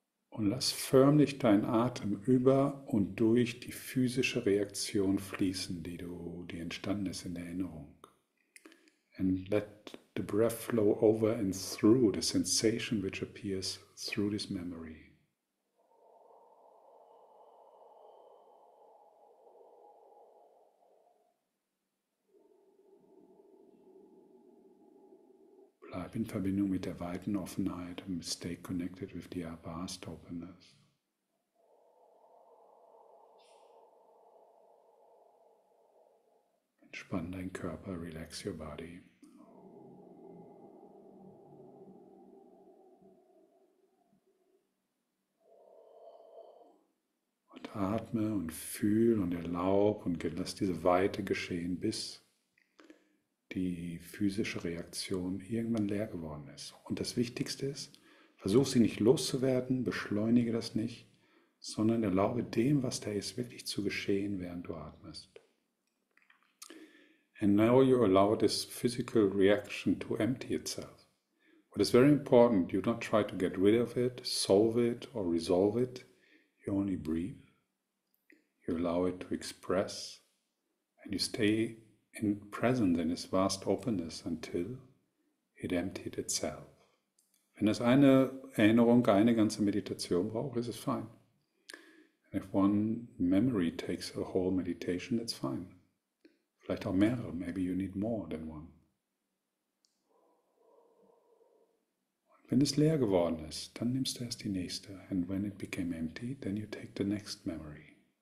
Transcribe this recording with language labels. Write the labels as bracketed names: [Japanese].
[German] Und lass förmlich deinen Atem über und durch die physische Reaktion fließen, die entstanden ist in der Erinnerung. [English] And let the breath flow over and through the sensation which appears through this memory. [German] bleib in Verbindung mit der weiten Offenheit [English] and stay connected with the vast openness. [German] Entspann dein Körper, [English] relax your body. [German] Und atme und fühl und erlaub und lass diese Weite geschehen, bis die physische Reaktion irgendwann leer geworden ist. Und das Wichtigste ist, versuch sie nicht loszuwerden, beschleunige das nicht, sondern erlaube dem, was da ist, wirklich zu geschehen, während du atmest. [English] And now you allow this physical reaction to empty itself. What is very important, you don't try to get rid of it, solve it or resolve it. You only breathe. You allow it to express and you stay in presence in this vast openness until it emptied itself. [German] Wenn es eine Erinnerung, eine ganze Meditation braucht, ist es fine. [English] And if one memory takes a whole meditation, it's fine. [German] Vielleicht auch mehrere, [English] maybe you need more than one. [German] Und wenn es leer geworden ist, dann nimmst du erst die nächste. [English] And when it became empty, then you take the next memory.